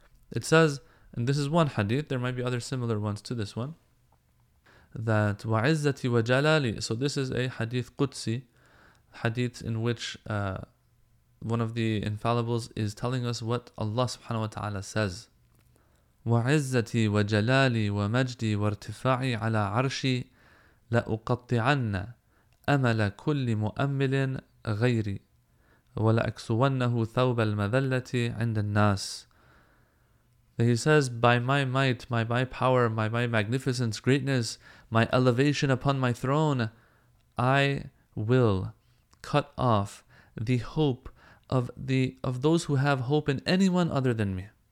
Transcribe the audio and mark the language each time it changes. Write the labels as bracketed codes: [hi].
[en] It says, and this is one hadith, there might be other similar ones to this one, that [ar] وَعِزَّتِي وَجَلَالِي. [en] So this is a hadith Qudsi, hadith in which one of the infallibles is telling us what Allah subhanahu wa ta'ala says. [ar] وعزتي وجلالي ومجدي وارتفاعي على عرشي لأقطعن أمل كل مؤمل غيري ولأكسونه ثوب المذلة عند الناس. [en] He says, by my might, my power, my magnificence, greatness, my elevation upon my throne, I will cut off the hope of those who have hope in anyone other than me.